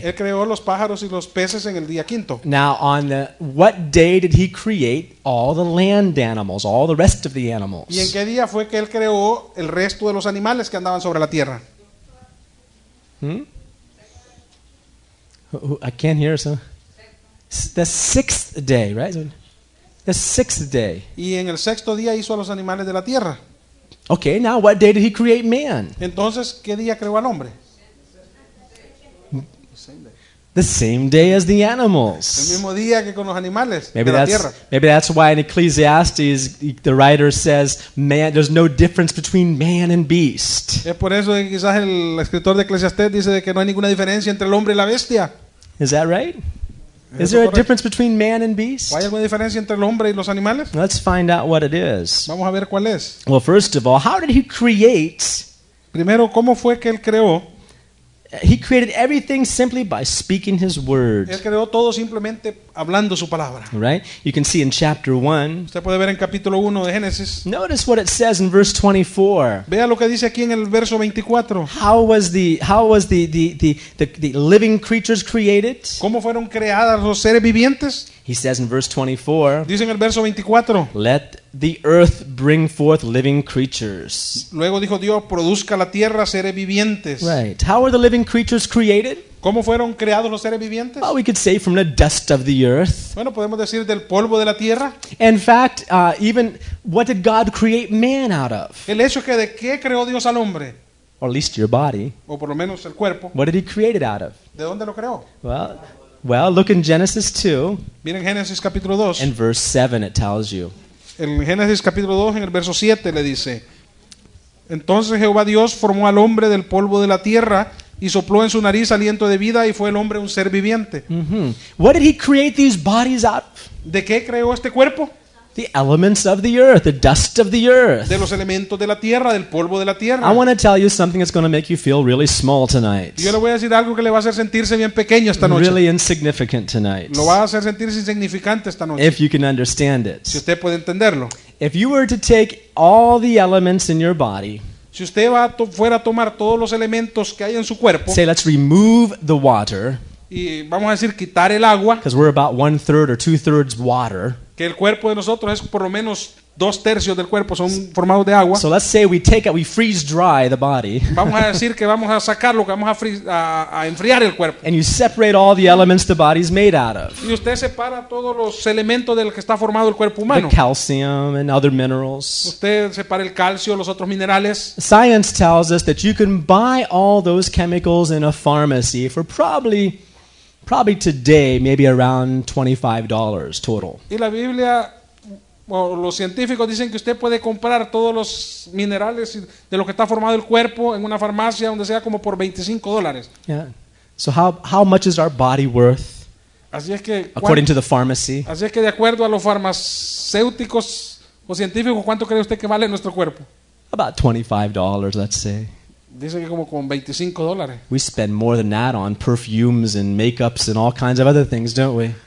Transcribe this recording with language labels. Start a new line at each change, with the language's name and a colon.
Spanish: Él creó los pájaros y los peces en el día quinto.
English: Now, on the what day did he create all the land animals, all the rest of the animals?
Spanish: ¿Y en qué día fue que él creó el resto de los animales que andaban sobre la tierra?
English: I can't hear, so. The sixth day, right? The sixth day.
Spanish: ¿Y en el sexto día hizo a los animales de la tierra?
English: Okay, now what day did he create man?
Spanish: Entonces, ¿qué día creó al hombre?
English: The same day as the animals.
Spanish: El mismo día que con los animales
English: maybe
Spanish: de la tierra.
English: Maybe that's why in Ecclesiastes the writer says, "Man, there's no difference between man and beast."
Spanish: Es por eso que quizás el escritor de Eclesiastés dice que no hay ninguna diferencia entre el hombre y la bestia.
English: Is that right? Is there a difference between man and beast?
Spanish: ¿Hay alguna diferencia entre el hombre y los animales?
English: Let's find out what it is.
Spanish: Vamos a ver cuál es.
English: Well, first of all, how did he create?
Spanish: Primero, ¿cómo fue que él creó?
English: He created everything simply by speaking his word.
Spanish: Él creó todo simplemente hablando su palabra.
English: Right? You can see in chapter 1.
Spanish: Usted puede ver en capítulo 1 de Génesis.
English: Notice what it says in verse 24.
Spanish: Vea lo que dice aquí en el verso 24.
English: How was the living creatures created?
Spanish: ¿Cómo fueron creadas los seres vivientes?
English: He says in verse 24.
Spanish: Dice en el verso 24.
English: Let the earth bring forth living creatures.
Spanish: Luego dijo Dios, produzca la tierra seres vivientes.
English: Right. How are the living creatures created?
Spanish: ¿Cómo fueron creados los seres vivientes?
English: Well, we could say from the dust of the earth.
Spanish: Bueno, podemos decir del polvo de la tierra.
English: In fact, even what did God create man out of?
Spanish: El hecho que de qué creó Dios al hombre.
English: Or at least your body.
Spanish: O por lo menos el cuerpo.
English: What did he create it out of?
Spanish: ¿De dónde lo creó?
English: Well, look in Genesis 2.
Spanish: Miren Génesis capítulo 2.
English: In verse 7 it tells you.
Spanish: En Génesis capítulo 2 en el verso 7 le dice: Entonces Jehová Dios formó al hombre del polvo de la tierra y sopló en su nariz aliento de vida y fue el hombre un ser viviente. Mm-hmm.
English: What did he create these bodies out of?
Spanish: ¿De qué creó este cuerpo?
English: The elements of the earth, the dust of the earth.
Spanish: De los elementos de la tierra, del polvo de la tierra.
English: I want to tell you something that's going to make you feel really small tonight.
Spanish: Yo le voy a decir algo que le va a hacer sentirse bien pequeño esta noche.
English: Really insignificant tonight.
Spanish: Lo va a hacer sentirse insignificante esta noche.
English: If you can understand it.
Spanish: Si usted puede entenderlo.
English: If you were to take all the elements in your body.
Spanish: Si usted fuera a tomar todos los elementos que hay en su cuerpo.
English: Say, let's remove the water.
Spanish: Y vamos a decir quitar el agua.
English: Because we're about 1/3 or 2/3 water.
Spanish: Que el cuerpo de nosotros es por lo menos 2/3 del cuerpo son formados de agua.
English: So let's say we take it, we freeze dry the body.
Spanish: Vamos a decir que vamos a sacarlo, que vamos a enfriar el cuerpo.
English: And you separate all the elements the body's made out of.
Spanish: Y usted separa todos los elementos del que está formado el cuerpo humano.
English: The calcium and other minerals.
Spanish: Usted separa el calcio, los otros minerales.
English: Science tells us that you can buy all those chemicals in a pharmacy for probably Probably today, maybe around $25 total.
Spanish: Y la Biblia, bueno, los científicos dicen que usted puede comprar todos los minerales de lo que está formado el cuerpo en una farmacia, donde sea, como por $25.
English: Yeah. So how much is our body worth?
Spanish: Así es que,
English: according to the pharmacy.
Spanish: Así es que de acuerdo a los farmacéuticos o científicos, ¿cuánto cree usted que vale nuestro cuerpo?
English: About $25, let's say.
Spanish: Dice que como con $25.
English: We spend more than that on perfumes and makeups and all kinds of other things, don't we?